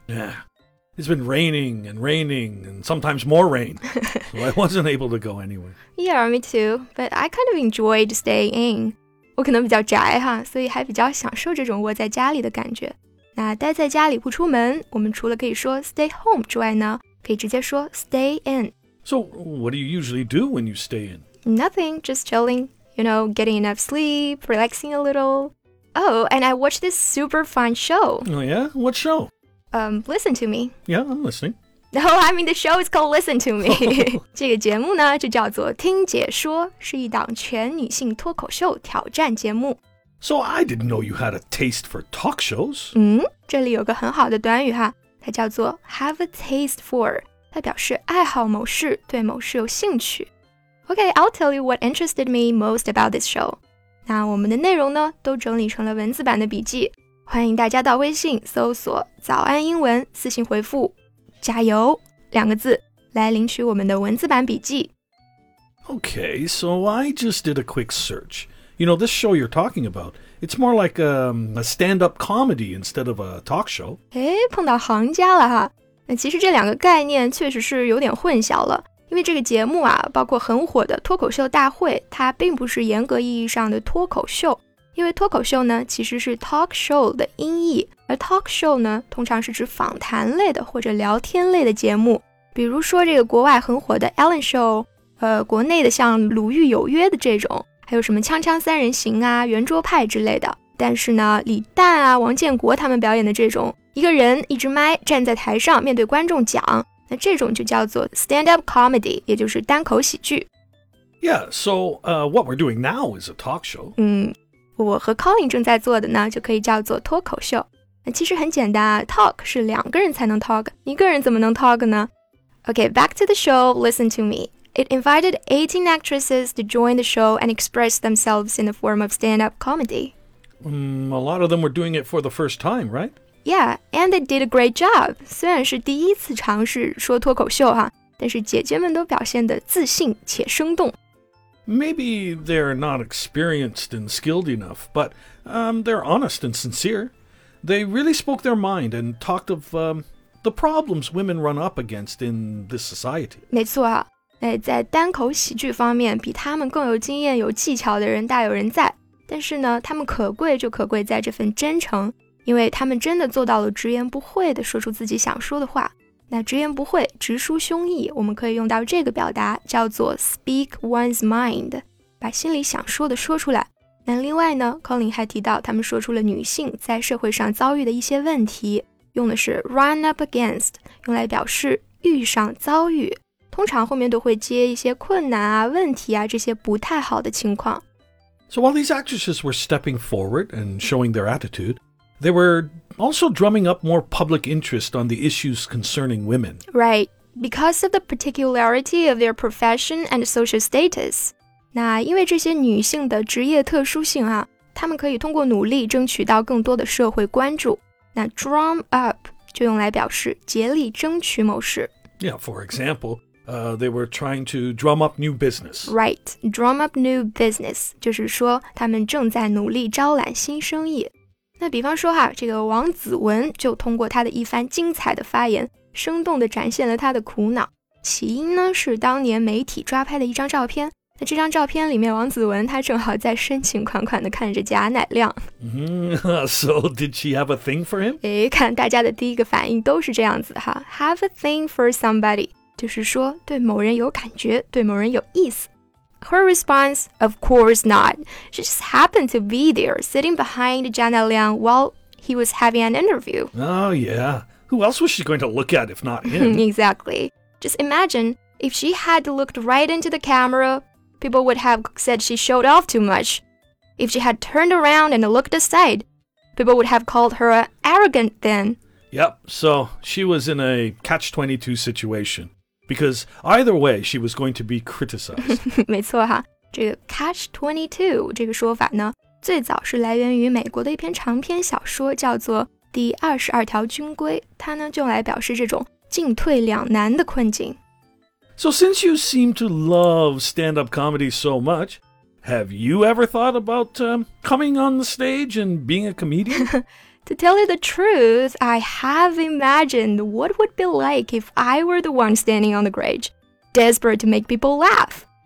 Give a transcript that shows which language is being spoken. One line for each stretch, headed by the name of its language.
English: Yeah, it's been raining and raining and sometimes more rain. So I wasn't able to go anywhere. Yeah, me too. But I kind of enjoyed staying in.
Chinese: 我可能比较宅哈，所以还比较享受这种窝在家里的感觉。那待在家里不出门，我们除了可以说 stay home 之外呢，可以直接说 stay in.
English: So, what do you usually do when you stay in? Nothing, just chilling. You know, getting enough sleep, relaxing a little. Oh, and I watched this super fun show. Oh yeah? What show? Listen to Me. Yeah, I'm listening. No, I mean the show is called Listen to Me.
Chinese: 这个节目呢就叫做听解说，是一档全女性脱口秀挑战节目。
English: So, I didn't know you had a taste for talk shows.
Chinese: 这里有个很好的短语哈，它叫做 have a taste for. 它表示爱好某事，对某事有兴趣。
English: Okay, I'll tell you what interested me most about this show.
Chinese: 那我们的内容呢，都整理成了文字版的笔记。欢迎大家到微信搜索“早安英文”，私信回复“加油”两个字，来领取我们的文字版笔记。
English: Okay, so I just did a quick search. You know, this show you're talking about, it's more like a stand-up comedy instead of a talk show.
Chinese: 诶，碰到行家了哈。其实这两个概念确实是有点混淆了，因为这个节目啊，包括很火的脱口秀大会，它并不是严格意义上的脱口秀，因为脱口秀呢，其实是 talk show 的音译，而 talk show 呢，通常是指访谈类的或者聊天类的节目，比如说这个国外很火的 Ellen Show， 国内的像鲁豫有约的这种，还有什么锵锵三人行啊、圆桌派之类的。但是呢，李诞啊、王建国他们表演的这种一个人一支麦站在台上面对观众讲，那这种就叫做 stand-up comedy， 也就是单口喜剧。
English: Yeah, so what we're doing now is a talk show.
Chinese: 我和 Colin 正在做的呢，就可以叫做脱口秀。那其实很简单啊 ，talk 是两个人才能 talk， 一个人怎么能 talk 呢 ？
English: Okay, back to the show. Listen to me. It invited 18 actresses to join the show and express themselves in the form of stand-up comedy. A lot of them were doing it for the first time, right? Yeah, and they did a great job.
Chinese: 虽然是第一次尝试说脱口秀哈，但是姐姐们都表现得自信且生动。
English: Maybe they're not experienced and skilled enough, but they're honest and sincere. They really spoke their mind and talked of the problems women run up against in this society.
Chinese: 没错啊，在单口喜剧方面，比他们更有经验、有技巧的人大有人在。但是呢，他们可贵就可贵在这份真诚，因为他们真的做到了直言不讳地说出自己想说的话。那直言不讳，直抒胸臆，我们可以用到这个表达，叫做 speak one's mind， 把心里想说的说出来。那另外呢 ，Colin 还提到，他们说出了女性在社会上遭遇的一些问题，用的是 run up against， 用来表示遇上、遭遇，通常后面都会接一些困难啊、问题啊这些不太好的情况。
English: So while these actresses were stepping forward and showing their attitude, they were also drumming up more public interest on the issues concerning women. Right, because of the particularity of their profession and social status.
Chinese: 那因为这些女性的职业特殊性啊，她们可以通过努力争取到更多的社会关注。那 drum up 就用来表示竭力争取某事。
English: Yeah, for example,they were trying to drum up new business. Right, drum up new business,
Chinese: 就是说他们正在努力招揽新生意。那比方说哈，这个王子文就通过他的一番精彩的发言，生动地展现了他的苦恼。起因呢，是当年媒体抓拍的一张照片。那这张照片里面，王子文他正好在深情款款地看着贾乃亮。
English: So did she have a thing for him?
Chinese: 诶，看大家的第一个反应都是这样子哈。
English: Have a thing for somebody.
Chinese: 就是说对某人有感觉，对某人有意思。
English: Her response, of course not. She just happened to be there, sitting behind Jana Liang while he was having an interview. Oh yeah, who else was she going to look at if not him? Exactly. Just imagine, if she had looked right into the camera, people would have said she showed off too much. If she had turned around and looked aside, people would have called her arrogant then. Yep, so she was in a catch-22 situation, because either way, she was going to be criticized.
Chinese: 没错哈，这个 catch-22 这个说法呢，最早是来源于美国的一篇长篇小说叫做第22条军规，它呢就来表示这种进退两难的困境。
English: So since you seem to love stand-up comedy so much, have you ever thought about coming on the stage and being a comedian? To tell you the truth, I have imagined what it would be like if I were the one standing on the stage, desperate to make people laugh.